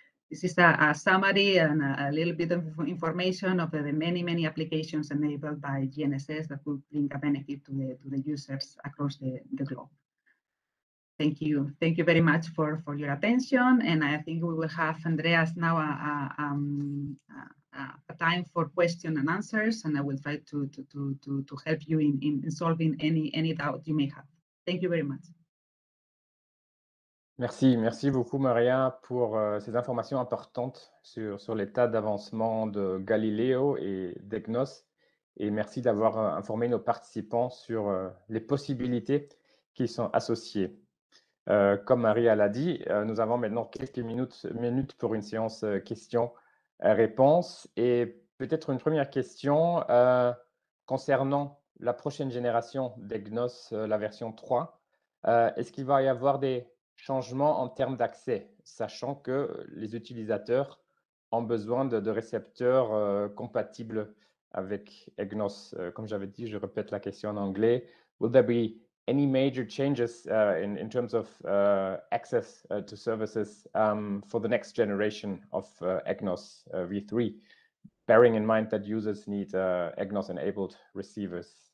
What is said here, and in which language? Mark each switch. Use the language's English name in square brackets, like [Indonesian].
[English] This is a summary and a little bit of information of the many applications enabled by GNSS that could bring a benefit to the users across the globe. Thank you. Thank you very much for your attention. And I think we will have Andreas now a time for question and answers. And I will try to help you in solving any doubt you may have. Thank you very much. [French] Merci beaucoup Maria pour ces informations importantes sur l'état d'avancement de Galileo et d'EGNOS, et merci d'avoir informé nos participants sur les possibilités qui sont associées. Comme Maria l'a dit, nous avons maintenant quelques minutes pour une séance questions-réponses, et peut-être une première question concernant la prochaine génération d'EGNOS, la version 3. Est-ce qu'il va y avoir des changement en termes d'accès, sachant que les utilisateurs ont besoin de récepteurs compatibles avec EGNOS. Comme j'avais dit, je répète la question en anglais. [English] Will there be any major changes in terms of access to services for the next generation of EGNOS V3, bearing in mind that users need EGNOS-enabled receivers?